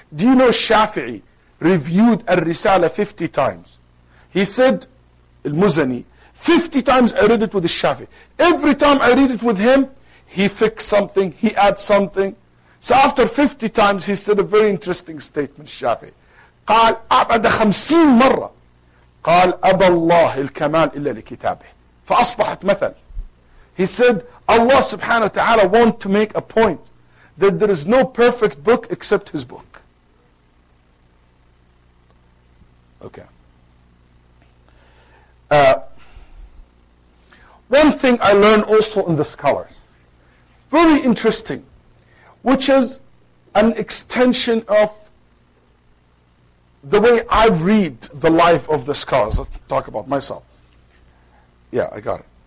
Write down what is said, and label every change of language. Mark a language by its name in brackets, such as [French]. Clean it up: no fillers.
[English] Do you know Shafi'i reviewed Al-Risala 50 times. He said, Al-Muzani, 50 times I read it with Al-Shafi. Every time I read it with him, he fixed something, he adds something. So after 50 times, he said a very interesting statement, Shafi. [Arabic] قال, أبعد 50 مرة. قال, أبى الله الكمال إلا لكتابه. فأصبحت مثل. [English] He said, Allah subhanahu wa ta'ala want to make a point that there is no perfect book except his book. Okay. One thing I learned also in the scholars, very interesting, which is an extension of the way I read the life of the scholars. Let's talk about myself. Yeah, I got it.